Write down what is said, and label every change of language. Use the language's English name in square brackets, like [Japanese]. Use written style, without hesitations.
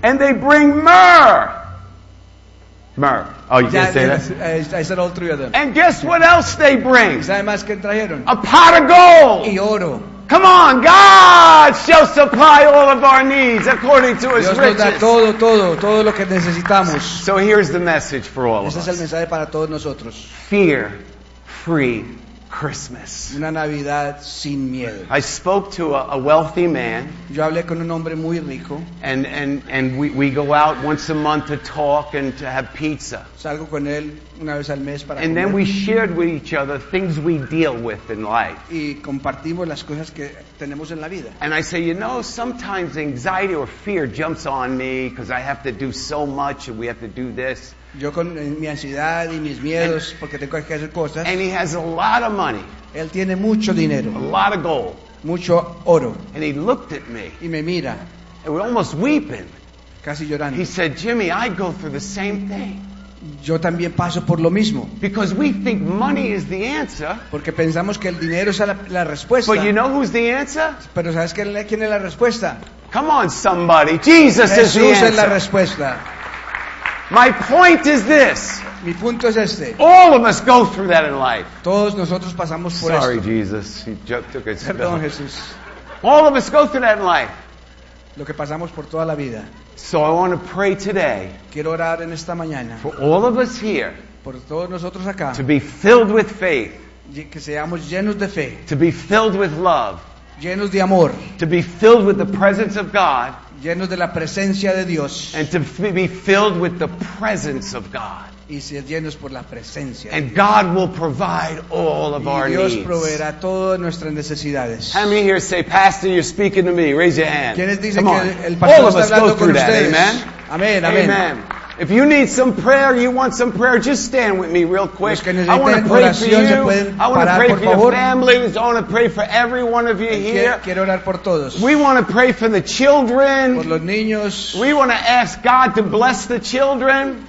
[English] And they bring myrrh. Myrrh. Oh, you didn't say that? I said all three of them. And guess what else they bring? [Spanish] ¿Saben más que trajeron? [English] A pot of gold. [Spanish] Y oro. [English] Come on, God shall supply all of our needs according to His riches. [Spanish] Dios nos da todo, todo, todo lo que necesitamos. [English] So here's the message for all of us. [Spanish] Este es el mensaje para todos nosotros. [English] Fear-free Christmas. [Spanish] Una Navidad sin miedo. [English] I spoke to a wealthy man. [Spanish] Yo hablé con un hombre muy rico. [English] And we go out once a month to talk and to have pizza. [Spanish] Salgo con él una vez al mes para [English] comer. And then we shared with each other things we deal with in life. [Spanish] Y compartimos las cosas que tenemos en la vida. [English] And I say, you know, sometimes anxiety or fear jumps on me because I have to do so much and we have to do this. [Spanish] Yo con mi ansiedad y mis miedos porque tengo que hacer cosas. [English] And he has a lot of money. [Spanish] Él tiene mucho dinero. [English] A lot of gold. [Spanish] Mucho oro. [English] And he looked at me. [Spanish] Y me mira. [English] And we're almost weeping. [Spanish] Casi llorando. [English] He said, Jimmy, I go through the same thing. [Spanish] Yo también paso por lo mismo. [English] Because we think money is the answer. [Spanish] Porque pensamos que el dinero es la respuesta. [English] But you know who's the answer? [Spanish] Pero ¿sabes quién es la respuesta? [English] Come on, somebody. Jesus is the answer. [Spanish] Jesús es la respuesta. [English] My point is this. [Spanish] Mi punto es este. [English] All of us go through that in life. [Spanish] Todos nosotros pasamos por esto. [English] Sorry, Jesus. He took it. [Spanish] Perdón, Jesús. [English] All of us go through that in life. [Spanish] Lo que pasamos por toda la vida. [English] So I want to pray today. [Spanish] Quiero orar en esta mañana. [English] For all of us here. [Spanish] Por todos nosotros acá. [English] To be filled with faith. [Spanish] Que seamos llenos de fe. [English] To be filled with love. [Spanish] Llenos de amor. [English] To be filled with the presence of God. [Spanish] Llenos de la presencia de Dios. [English] And to be filled with the presence of God. [Spanish] Y ser llenos por la presencia. [English] And God will provide all of our needs. [Spanish] Y Dios proveerá todas nuestras necesidades. [English] How many here say, Pastor, you're speaking to me? Raise your hand. [Spanish] ¿Quiénes dicen que el pastor está hablando con ustedes? [English] All of us go through that. Amen. Amen. Amen. Amen. If you need some prayer, you want some prayer, just stand with me real quick. I want to pray for you. I want to pray for your families. I want to pray for every one of you here. [Spanish] Quiero orar por todos. [English] We want to pray for the children. [Spanish] Por los niños. [English] We want to ask God to bless the children.